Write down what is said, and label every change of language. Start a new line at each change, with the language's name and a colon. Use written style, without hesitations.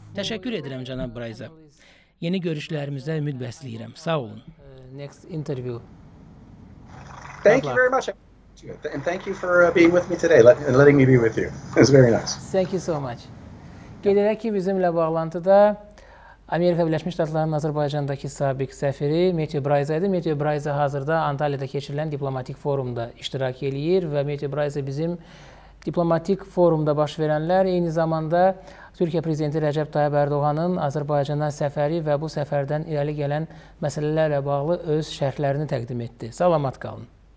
Azerbaijani: Təşəkkür edirəm, cənab Brayza. Yeni görüşlərimizdə ümid bəsləyirəm. Sağ olun.
English: Next interview. Thank you very much. And thank you for being with me today and letting me be with you. It was very nice. Thank you so much.
Azerbaijani: Qeyd edək ki, bizimlə bağlantıda Amerika Birləşmiş Ştatlarının Azərbaycandakı sabiq səfiri Mehdi Brayza idi. Mehdi Brayza hazırda Antalya'da keçirilən diplomatik forumda iştirak eləyir və Mehdi Brayza bizim diplomatik forumda baş verənlər eyni zamanda Türkiyə Prezidenti Rəcəb Tayyip Erdoğan'ın Azərbaycana səfəri və bu səfərdən irəli gələn məsələlərlə bağlı öz şərhlərini təqdim etdi. Salamat qalın.